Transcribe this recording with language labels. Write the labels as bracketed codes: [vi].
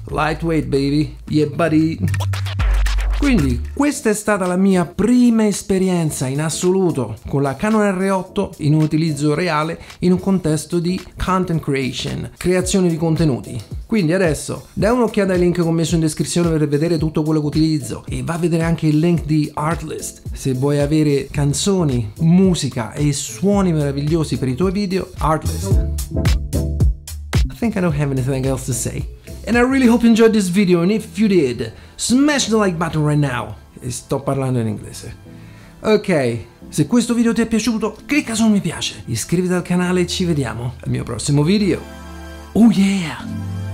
[en] Lightweight, baby. Yeah, buddy. [it] Quindi, questa è stata la mia prima esperienza in assoluto con la Canon R8 in un utilizzo reale in un contesto di content creation, creazione di contenuti. Quindi adesso, dai un'occhiata ai link che ho messo in descrizione per vedere tutto quello che utilizzo e va a vedere anche il link di Artlist. Se vuoi avere canzoni, musica e suoni meravigliosi per i tuoi video, Artlist. [en] I think I don't have anything else to say. And I really hope you enjoyed this video, and if you did, smash the like button right now. [it] E sto parlando in inglese. Ok, se questo video ti è piaciuto, clicca su mi piace, iscriviti al canale e ci vediamo al mio prossimo video. [en] Oh yeah!